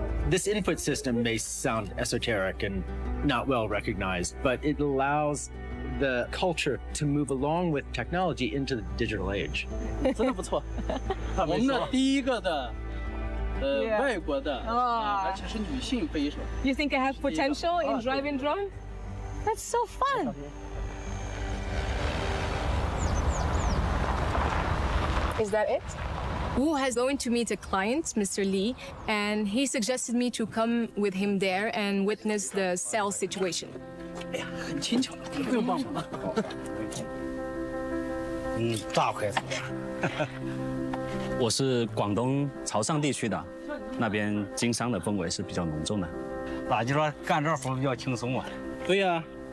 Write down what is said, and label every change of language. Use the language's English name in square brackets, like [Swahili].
[English] This input system may sound esoteric and not well recognized, but it allows the culture to move along with technology into the digital age. [Chinese] 真的不错，我们的第一个的，外国的，而且是女性飞手。 [English] You think I have potential in driving drone? That's so fun. Is that it? Wu has going to meet a client, Mr. Lee, and he suggested me to come with him there and witness the sales situation. [Chinese] 哎呀，很轻巧，不用帮忙了。嗯，大快。我是广东潮汕地区的，那边经商的氛围是比较浓重的。咋就说干这活比较轻松啊？对呀、啊。